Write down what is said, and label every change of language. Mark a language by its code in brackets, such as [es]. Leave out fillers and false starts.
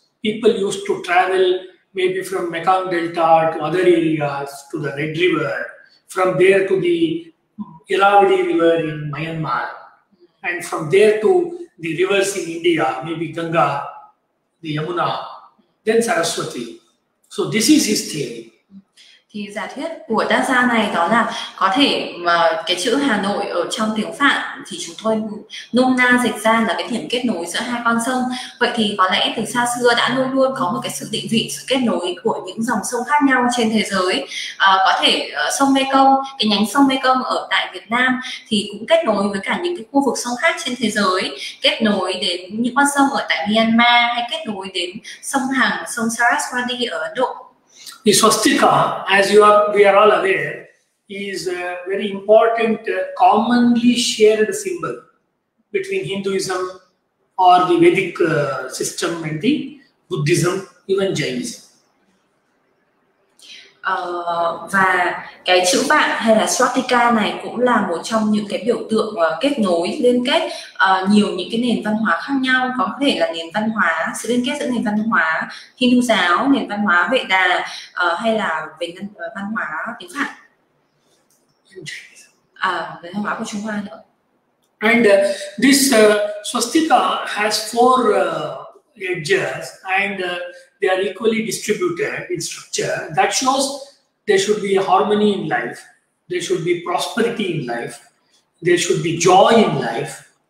[en] People used to travel maybe from Mekong Delta to other areas, to the Red River, from there to the Irrawaddy River in Myanmar, and from there to the rivers in India, maybe Ganga, the Yamuna, then Saraswati. So this is his theory. [vi] Thì giả thuyết của tác giả này đó là có thể mà cái chữ Hà Nội ở trong tiếng Phạn thì chúng tôi nôm na dịch ra là cái điểm kết nối giữa hai con sông. Vậy thì có lẽ từ xa xưa đã luôn luôn có một cái sự định vị, sự kết nối của những dòng sông khác nhau trên thế giới. Có thể sông Mekong, cái nhánh sông Mekong ở tại Việt Nam thì cũng kết nối với cả những cái khu vực sông khác trên thế giới, kết nối đến những con sông ở tại Myanmar hay kết nối đến sông Hằng, sông Saraswati ở Ấn Độ. [en] The swastika, as we are all aware, is a very important commonly shared symbol between Hinduism or the Vedic system and the Buddhism, even Jainism. [vi] Và cái chữ vạn hay là swastika này cũng là một trong những cái biểu tượng kết nối, liên kết nhiều những cái nền văn hóa khác nhau, có thể là nền văn hóa, sự liên kết giữa nền văn hóa Hindu giáo, nền văn hóa Vệ Đà hay là về văn hóa tiếng Phạn. về văn hóa của Trung Hoa nữa. [en] And this swastika has four edges, and they are equally distributed in structure. That shows there should be harmony in life, there should be prosperity in life, there should be joy in life.